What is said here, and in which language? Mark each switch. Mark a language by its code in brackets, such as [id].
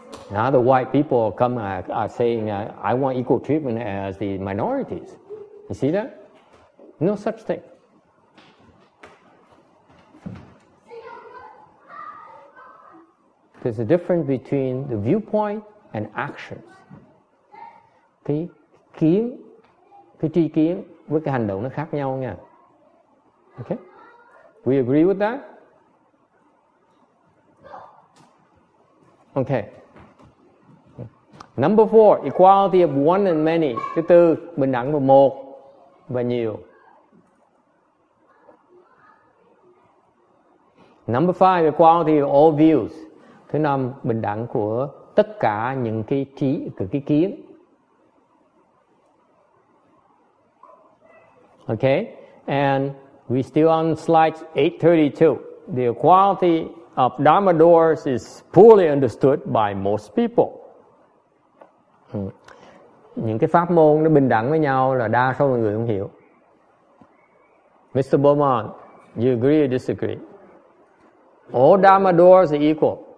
[en] Now the white people are saying, I want equal treatment as the minorities. You see that? No such thing. There's a difference between the viewpoint and actions. [vi] Cái kiến, cái tri kiến với cái hành động nó khác nhau nha. [en] Okay? We agree with that? Okay. Number four, equality of one and many. [vi] Thứ tư, bình đẳng của một và nhiều. [en] Number five, equality of all views. [vi] Thứ năm, bình đẳng của tất cả những cái trí, cái kiến. [en] Okay, and we still on slide 832. The equality of Dhammadhara is poorly understood by most people. [vi] Những cái pháp môn nó bình đẳng với nhau là đa số mọi người không hiểu. Mr. [en] Beaumont, you agree or disagree? All Dharma doors are equal.